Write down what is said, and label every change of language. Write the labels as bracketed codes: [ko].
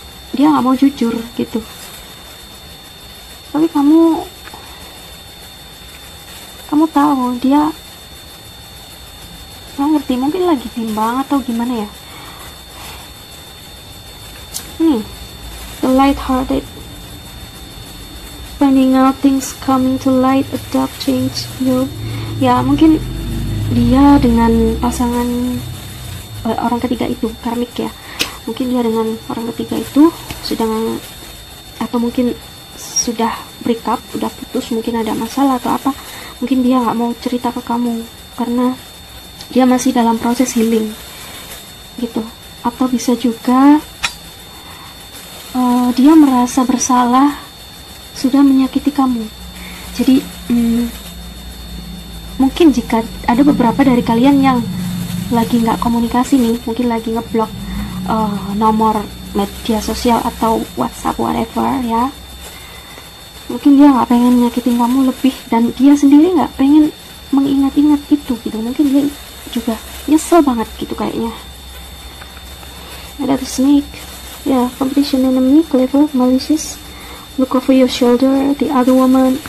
[id] Dia gak mau jujur gitu. Tapi kamu tahu dia nggak ngerti, mungkin lagi bimbang atau gimana ya. [en] The light-hearted, finding out things coming to light, adapt, change you. [id] Ya mungkin dia dengan pasangan orang ketiga itu karmik ya, mungkin dia dengan orang ketiga itu sedang atau mungkin sudah [en] break up, [id] udah putus, mungkin ada masalah atau apa. Mungkin dia nggak mau cerita ke kamu karena dia masih dalam proses healing gitu. Atau bisa juga dia merasa bersalah sudah menyakiti kamu. Jadi mungkin jika ada beberapa dari kalian yang lagi gak komunikasi nih, mungkin lagi ngeblok nomor media sosial atau WhatsApp whatever ya, mungkin dia gak pengen menyakiti kamu lebih dan dia sendiri gak pengen mengingat-ingat itu gitu. Mungkin dia juga nyesel banget gitu kayaknya. Ada The Snake. [en] Ya, yeah, competition enemy, clever, malicious, look over your shoulder, the other woman.